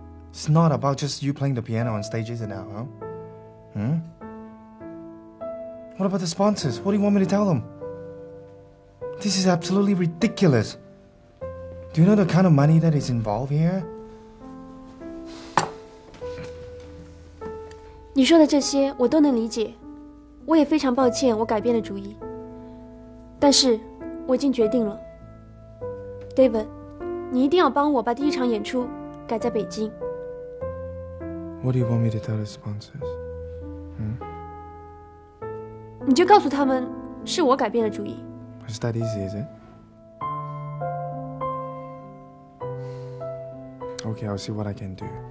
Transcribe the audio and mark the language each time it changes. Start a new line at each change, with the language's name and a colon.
English: It's not about just you playing the piano on stage, isn't it, huh? Hmm? What about the sponsors? What do you want me to tell them? This is absolutely ridiculous. Do you know the kind of money that is involved here?
Chinese: 你说的这些我都能理解，我也非常抱歉我改变了主意。但是我已经决定了 ，David， 你一定要帮我把第一场演出改在北京。
English: What do you want me to tell the sponsors?
Chinese: 你就告诉他们是我改变了主意。
English: Is that easy, is it? Okay, I'll see what I can do.